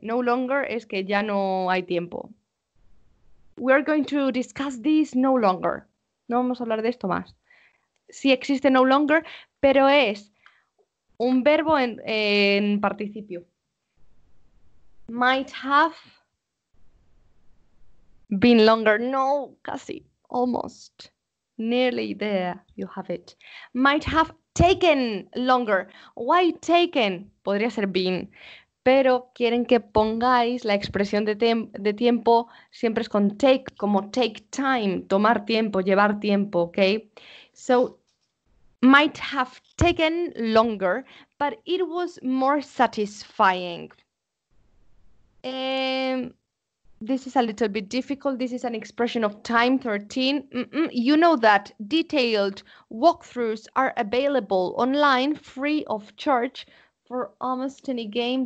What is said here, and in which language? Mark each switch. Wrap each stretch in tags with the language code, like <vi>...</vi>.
<en>No longer</en> <es>es que ya no hay tiempo.</es> <en>We are going to discuss this no longer.</en> <es>No vamos a hablar de esto más. Sí existe no longer, pero es un verbo en participio.</es> <en>Might have been longer.</en> <es>No, casi.</es> <en>almost, nearly there, you have it. Might have taken longer. Why taken?</en> <es>Podría ser</es> <en>been.</en> <es>Pero quieren que pongáis la expresión de tiempo, siempre es con take, como take time, tomar tiempo, llevar tiempo, ¿ok?</es> <en>So, might have taken longer, but it was more satisfying. This is a little bit difficult. This is an expression of time 13. Mm-mm. You know that detailed walkthroughs are available online free of charge for almost any game.</en>